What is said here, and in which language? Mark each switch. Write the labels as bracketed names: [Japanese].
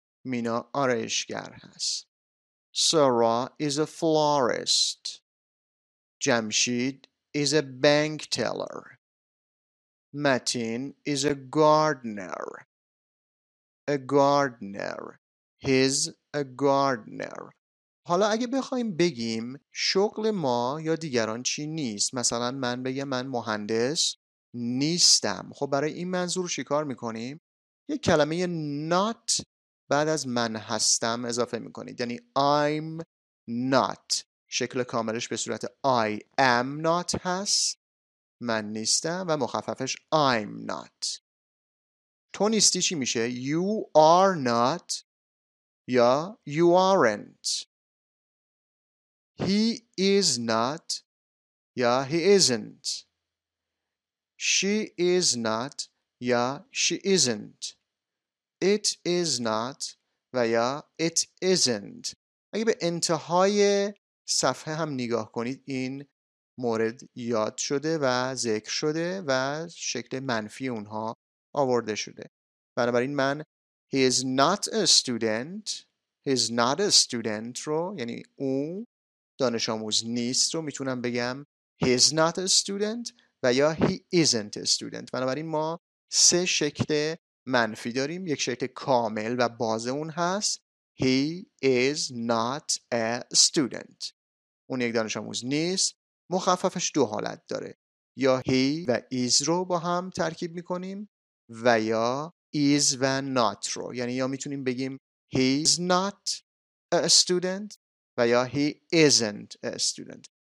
[Persian] مینا آرایشگر هست. [English] Sara is a florist. Jamshid is a bank teller. Matin is a gardener. A gardener. He's a gardener. [Persian] حالا اگه بخوایم بگیم شغل ما یا دیگران چی نیست، مثلا من بگم من مهندس نیستم، خب برای این منظور چیکار میکنیم؟ یک کلمه not بعد از من هستم اضافه میکنید، یعنی [English] I'm not. [Persian] شکل کاملش به صورت [English] I am not [Persian] هست، من نیستم و مخففش [English] I'm not. [Persian] تو نیستی چی میشه؟ [English] You are not یا You aren't. He is not یا He isn't. She is not یا She isn't. It is not و یا It isn't. [Persian] اگه به انتهای صفحه هم نگاه کنید این مورد یاد شده و ذکر شده و شکل منفی اونها آورده شده. بنابراین من [English] He is not a student. He is not a student [Persian] رو، یعنی او دانش آموز نیست رو میتونم بگم He is not a student و یا [English] He isn't a student. [Persian] بنابراین ما سه شکل منفی داریم. یک شکل کامل و بازه اون هست [English] He is not a student. [Persian] اون یک دانش آموز نیست. مخففش دو حالت داره، یا He و Is رو با هم ترکیب میکنیم و یا Is و Not رو، یعنی یا میتونیم بگیم [English] He is not a student [Persian] و یا [English] He isn't a student.